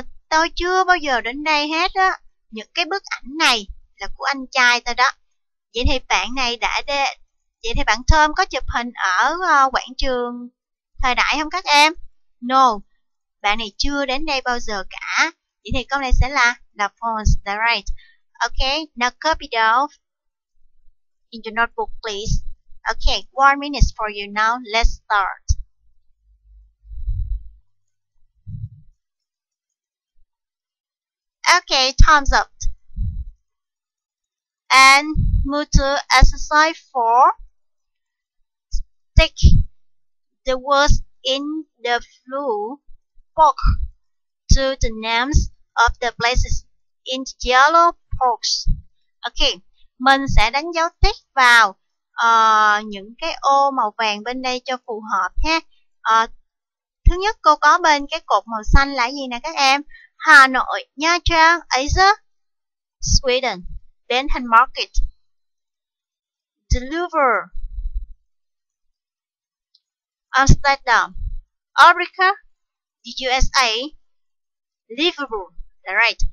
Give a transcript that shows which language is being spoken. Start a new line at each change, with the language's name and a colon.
Vietnamese: Tao chưa bao giờ đến đây hết á. Những cái bức ảnh này là của anh trai tao đó. Vậy thì bạn này đã đe... Vậy thì bạn Thơm có chụp hình ở quảng trường thời đại không các em? No. Bạn này chưa đến đây bao giờ cả. Vậy thì câu này sẽ là false.
English: Alright. Okay. Now copy it off in your notebook, please. Okay. 1 minute for you now. Let's start. Okay, time's up. And move to exercise 4. Stick the words in the blue box to the names of the places in the yellow box.
Vietnamese: Okay, mình sẽ đánh dấu tích vào những cái ô màu vàng bên đây cho phù hợp ha. Thứ nhất cô có bên cái cột màu xanh là gì nè các em?
English: Hà Nội, Nha Trang, Asia, Sweden, Bentham Market, The Louvre, Amsterdam, America, the USA, Liverpool. That's right.